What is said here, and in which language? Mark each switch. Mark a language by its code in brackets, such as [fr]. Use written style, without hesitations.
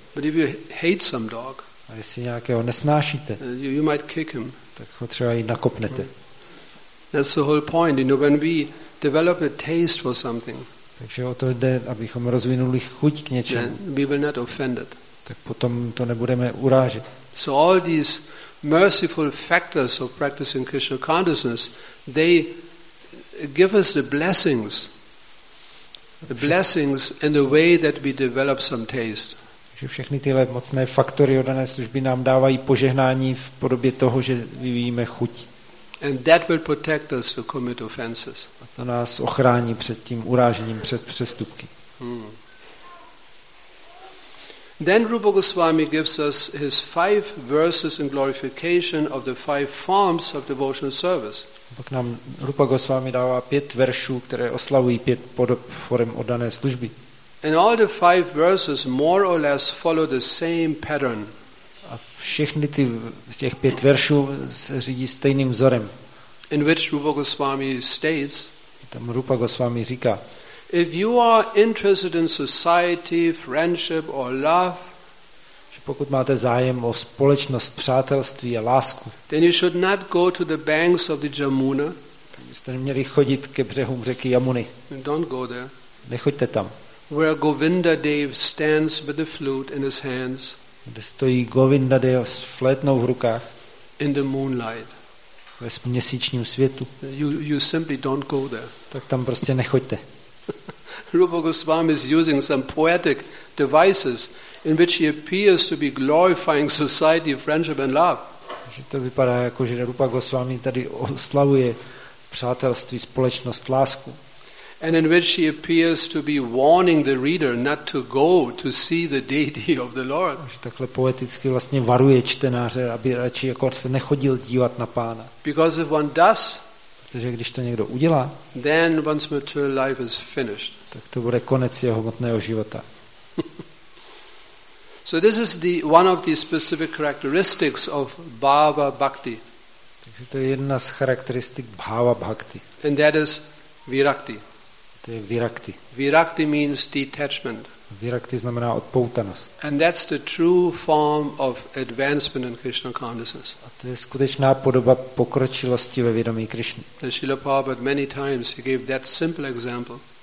[en] But if you hate some dog. [cs] A jestli nějakého nesnášíte. [en] You might kick him. [cs] Tak ho třeba i nakopnete. [en] That's the whole point. You know, when we develop a taste for something. [cs] Takže o to jde, abychom rozvinuli chuť k něčemu. [en] We will not offend it. [cs] Tak potom to nebudeme urážet. [en] So all these merciful factors of practicing Krishna consciousness, they give us the blessings in the way that we develop some taste. [cs] Že všechny tyhle mocné faktory oddané služby nám dávají požehnání v podobě toho, že vyvíjíme chuť. [en] And that will protect us to commit offenses. [cs] A to nás ochrání před tím urážením, před přestupky. [en] Then Rupa Goswami gives us his five verses in glorification of the five forms of devotional service. [cs] Pak nám Rupa Goswami dává pět veršů, které oslavují pět podob forem oddané služby. [en] And all the five verses more or less follow the same pattern. [cs] A všechny ty z těch pět veršů se řídí stejným vzorem. [en] In which Rupa Goswami states, [cs] tam Rupa Goswami říká, [en] if you are interested in society, friendship or love, [cs] že pokud máte zájem o společnost, přátelství a lásku, [en] then you should not go to the banks of the Jamuna. [cs] Byste neměli chodit ke břehům řeky Jamuny. [en] Don't go there. [cs] Nechoďte tam. [en] Where Govinda Dev stands with the flute in his hands. [cs] Kde stojí Govinda Dev s flétnou v rukách. [en] In the moonlight. [cs] Ve měsíčním světu. [en] You simply don't go there. [cs] Tak tam prostě nechoďte. [en] Rupa Goswami is using some poetic devices in which he appears to be glorifying society, friendship and love. [cs] Že to vypadá jako, že Rupa Goswami tady oslavuje přátelství, společnost, lásku. [en] And in which he appears to be warning the reader not to go to see the deity of the Lord. [cs] Že takhle poeticky vlastně varuje čtenáře, aby radši jako se nechodil dívat na Pána. [en] Because if one does, [cs] protože když to někdo udělá, [en] then one's material life is finished. [cs] Tak to bude konec jeho hmotného života. [en] So this is the one of the specific characteristics of Bhava Bhakti. [cs] Takže to je jedna z charakteristik Bhava Bhakti. [en] And that is Virakti. [cs] To je virakti. [en] Virakti means detachment. [cs] Virakti znamená odpoutanost. [en] And that's the true form of advancement in Krishna consciousness. [cs] A to je skutečná podoba pokročilosti ve vědomí Krishny. [en] Srila Prabhupada many times he gave that simple example.